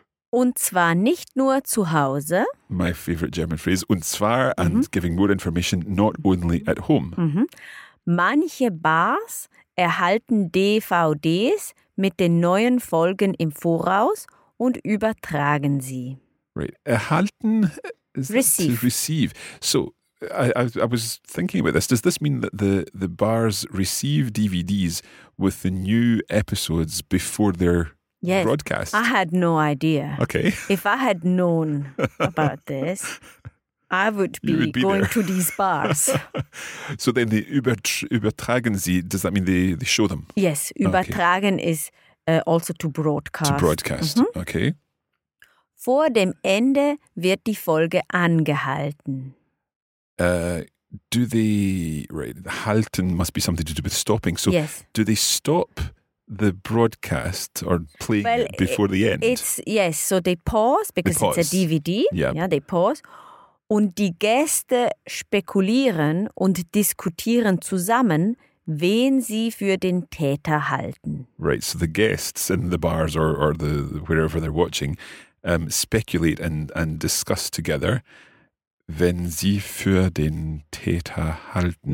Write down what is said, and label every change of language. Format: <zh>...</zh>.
<de>Und zwar nicht nur zu Hause.</de> <en>My favorite German phrase.</en> <de>Und zwar,</de> <en>and giving more information, not only at home.</en> <de>Manche Bars erhalten DVDs mit den neuen Folgen im Voraus und übertragen sie.</de> <en>Right. Erhalten? Receive. To receive. So, I was thinking about this. Does this mean that the bars receive DVDs with the new episodes before they're... Yes, broadcast. I had no idea. Okay. If I had known about this, I would be going there. To these bars. So then the</en> <de>übertragen sie,</de> <en>does that mean they show them? Yes, übertragen is also to broadcast. To broadcast, okay.</en> <de>Vor dem Ende wird die Folge angehalten.</de> <en>Do they, right, halten must be something to do with stopping. So yes. Do they stop... the broadcast or play before the end. It's yes, so they pause because they pause. It's a DVD. Yeah. Yeah, they pause.</en> <de>Und die Gäste spekulieren und diskutieren zusammen, wen sie für den Täter halten.</de> <en>Right, so the guests in the bars or the wherever they're watching speculate and discuss together</en> <de>wenn sie für den Täter halten.</de>